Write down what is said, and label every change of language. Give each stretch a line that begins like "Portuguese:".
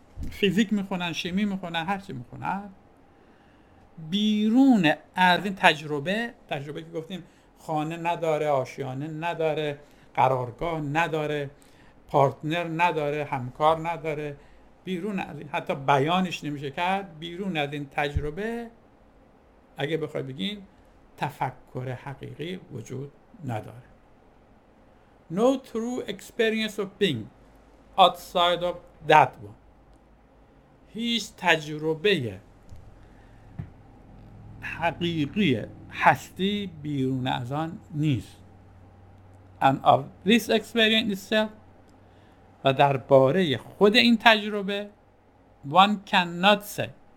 Persian: فیزیک میخونن، شیمی میخونن، هرچی میخونن. بیرون از این تجربه، تجربه که گفتیم خانه نداره، آشیانه نداره، قرارگاه نداره، پارتنر نداره، همکار نداره، بیرون از این، حتی بیانش نمیشه کرد، بیرون از این تجربه اگه بخوای بگین تفکر حقیقی وجود نداره.
English: No true experience of being outside of that one.
Persian: هیچ تجربه حقیقی هستی بیرون از آن نیست.
English: And of this experience itself
Persian: و درباره خود این تجربه
English: one cannot say.